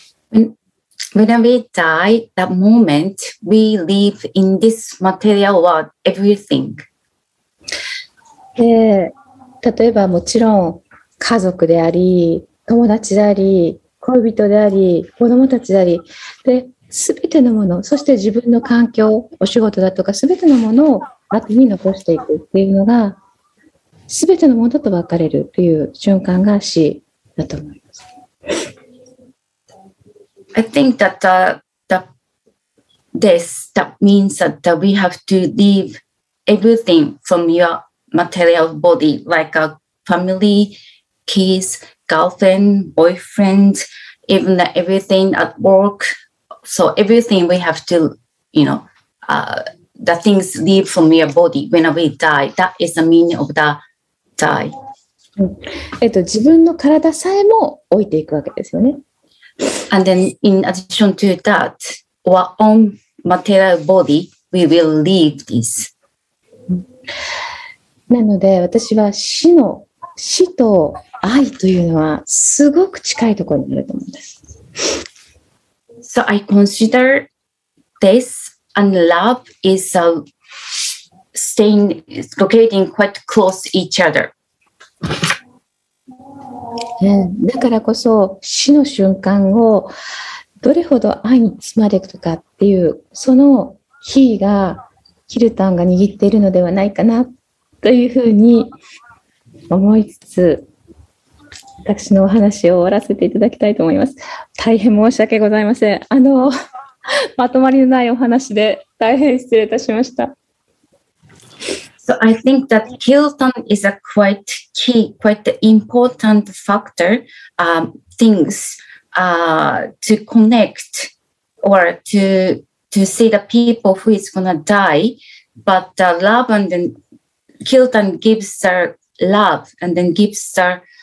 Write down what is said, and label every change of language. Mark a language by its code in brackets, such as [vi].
[en] When we die, that moment, we leave in this material world everything. [ja] で、例えばもちろん家族であり、友達であり、恋人であり、子供たちであり、で、すべてのもの、そして自分の環境、お仕事だとか、すべてのものを後に残していくっていうのが、すべてのものと分かれるという瞬間が死だと思います。 [en] I think that the death that means that we have to leave everything from your material body, like a family, kids,girlfriend, boyfriend, even everything at work. So everything we have to, you know, the things leave from your body when we die. That is the meaning of the die. [ja] 自分の体さえも置いていくわけですよね。 [en] And then in addition to that, our own material body, we will leave this. [ja] なので私は死と愛というのはすごく近いところにあると思うんです。 [en] So I consider this and love is staying locating quite close each other. [ja] だからこそ死の瞬間をどれほど愛に包まれるかっていうその比がキルタンが握っているのではないかなというふうに思いつつ。私のお話を終わらせていただきたいと思います。大変申し訳ございません。まとまりのないお話で大変失礼いたしました。 [en] So I think that Kirtan is a quite key, quite important factor, things, to connect or to see the people who is gonna die, but the love and then Kirtan gives their love and then gives their.